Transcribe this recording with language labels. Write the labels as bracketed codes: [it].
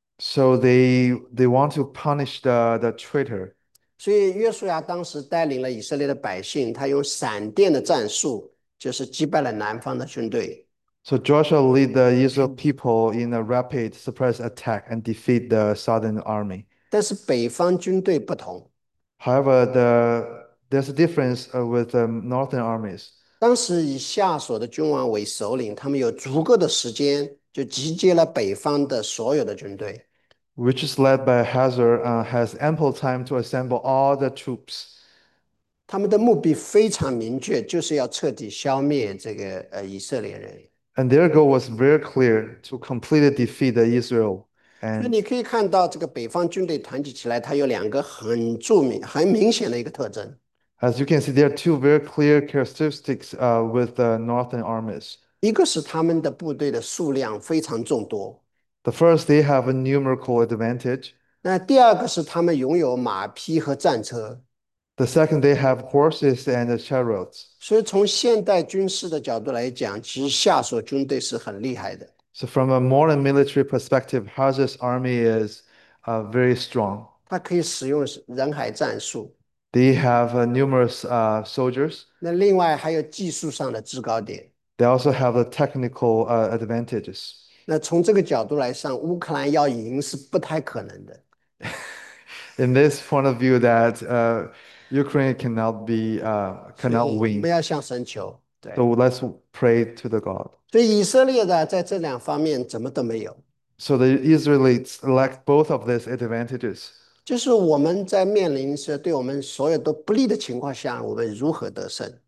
[en] So they want to punish the traitor. [zh] 所以约书亚当时带领了以色列的百姓，他用闪电的战术，就是击败了南方的军队。 [en] So Joshua led the Israel people in a rapid surprise attack and defeat the southern army. [zh] 但是北方军队不同， [en] However, there's a difference with the northern armies. [zh] 当时以夏所的君王为首领，他们有足够的时间就集结了北方的所有的军队。 [en] Which is led by Hazor, has ample time to assemble all the troops. [zh] 他们的目的非常明确，就是要彻底消灭这个以色列人。 [en] And their goal was very clear, to completely defeat Israel [zh] 所以 [en] and [zh] 你可以看到，这个北方军队团结起来，它有两个很著名、很明显的一个特征。 [en] As you can see, there are two very clear characteristics with the northern armies. [zh] 一个是他们的部队的数量非常众多， [en] The first, they have a numerical advantage. [zh] 那第二个是他们拥有马匹和战车。 [en] The second, they have horses and chariots. [zh] 所以从现代军事的角度来讲，其实夏所军队是很厉害的。 [en] So from a modern military perspective, Hazor's army is very strong. [zh] 它可以使用人海战术， [en] They have numerous soldiers. [zh] 那另外还有技术上的制高点。 [en] They also have the technical advantages. [zh] 那从这个角度来上，乌克兰要赢是不太可能的。 [en] In this point of view, that Ukraine [zh] 所 [en] cannot [zh] 以我们 [en] win. [zh] 要向神求，对。 [en] So let's pray to the God. [zh] 所以以色列的在这两方面怎么都没有。 [en] So the Israelites lack both of these advantages. [zh] 就是我们在面临是对我们所有都不利的情况下，我们如何得胜？